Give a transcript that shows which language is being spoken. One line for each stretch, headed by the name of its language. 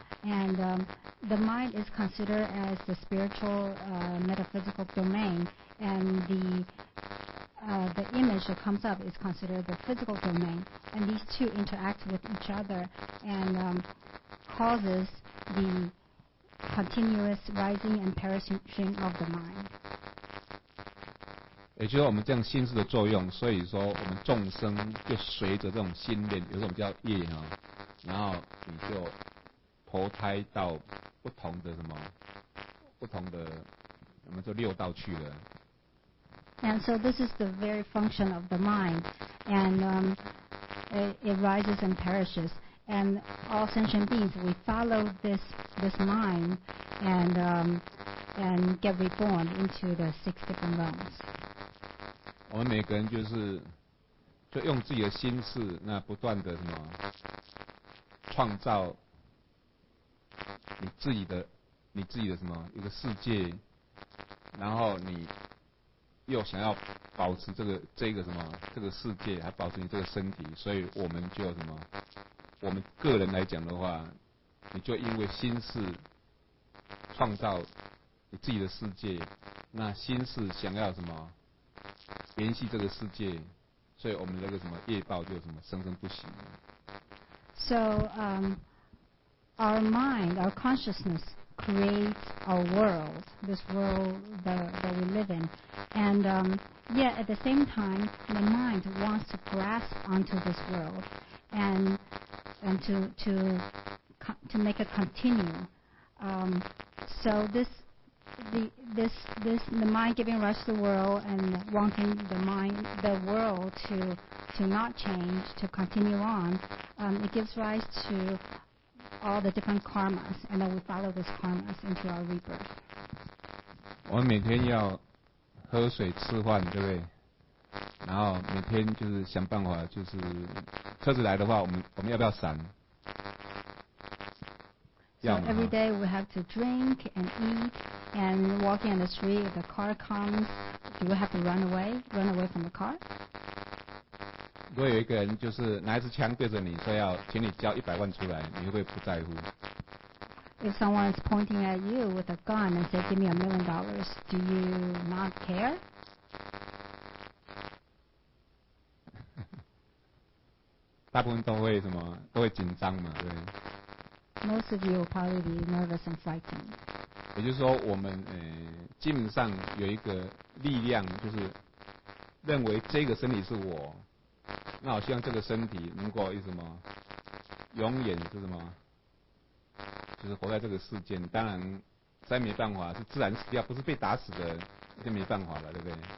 English: And the mind is considered as the spiritual metaphysical domain, and the image that comes up is considered the physical domain, and these two interact with each other and causes the continuous rising and perishing of the mind.
Chinese: 也就是我们这样心识的作用，所以说我们众生就随着这种心念，有种叫业啊，然后你就投胎到不同的什么，不同的，我们就六道去了。
English: And so this is the very function of the mind, and it rises and perishes. And all sentient beings, we follow this mind, and get reborn into the six different realms.
Chinese: 我们每个人就是就用自己的心识，那不断的什么创造你自己的什么一个世界，然后你。又想要保持这个什么这个世界，还保持你这个身体，所以我们就什么，我们个人来讲的话，你就因为心事创造你自己的世界，那心事想要什么联系这个世界，所以我们这个什么业报就什么生生不息。
English: So, our mind, our consciousness. Creates our world, this world that we live in, and yet at the same time, the mind wants to grasp onto this world, and to make it continue. So this the mind giving rise to the world and wanting the world to not change, to continue on, it gives rise to. All the different karmas, and then we follow those karmas into our rebirth.
Chinese: 我们每天要喝水、吃饭，对不对？然后每天就是想办法，就是车子来的话，我们要不要闪？
English: So every day we have to drink and eat and walking on the street. If the car comes, do we have to run away from the car?
Chinese: 如果有一个人就是拿一支枪对着你说要请你交100万出来，你会不会不在乎？
English: If someone is pointing at you with a gun and say give me $1 million, do you not care?
Chinese: 大部分都会什么？都会紧张嘛，对。
English: Most of you will probably be nervous and frightened.
Chinese: 也就是说，我们基本上有一个力量，就是认为这个身体是我。那我希望这个身体能够有什么永远是什么就是活在这个世间，当然再没办法是自然死掉，不是被打死的就没办法了，对不对？